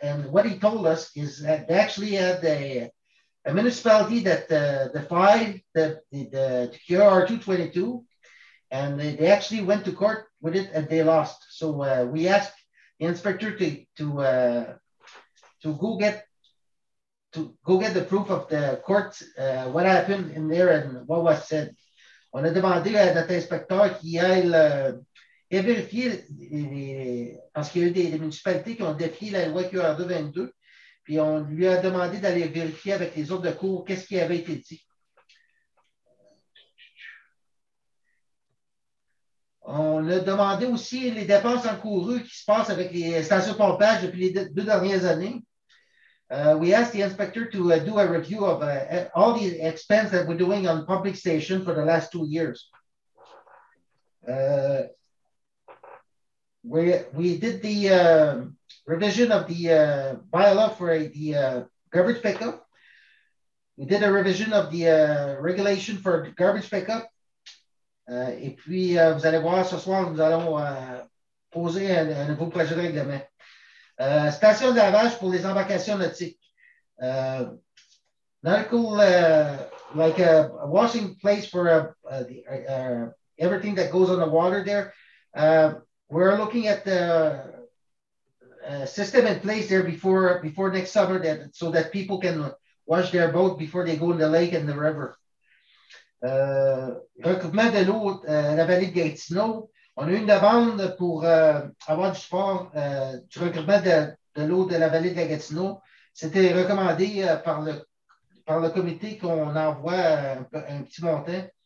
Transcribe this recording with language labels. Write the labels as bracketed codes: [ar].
[en] And what he told us is that they actually had a municipality that defied the QR-222, and they actually went to court with it and they lost. So we asked the inspector to go get the proof of the court, what happened in there and what was said. [fr] On a demandé à notre inspecteur qui aille et vérifier, parce qu'il y a eu des municipalités qui ont défié la loi QR-222, puis on lui a demandé d'aller vérifier avec les autres de cour qu'est-ce qui avait été dit. On a demandé aussi les dépenses encourues qui se passent avec les stations de pompage depuis les deux dernières années. [en] We asked the inspector to do a review of all the expenses that we're doing on public station for the last 2 years. We did the revision of the bylaw for the garbage pickup. We did a revision of the regulation for garbage pickup. [fr] Et puis, vous allez voir ce soir, nous allons poser un nouveau projet de règlement. Station de lavage pour les embarcations nautiques. [en] Nautical, like a washing place for everything that goes on the water there. We're looking at the system in place there before next summer, that so that people can wash their boat before they go in the lake and the river. [fr] Recoupement de l'eau, la vallée de Gatineau. On a une demande pour avoir du support du recoupement de l'eau de la vallée de Gatineau. C'était recommandé par le comité qu'on envoie un petit montant.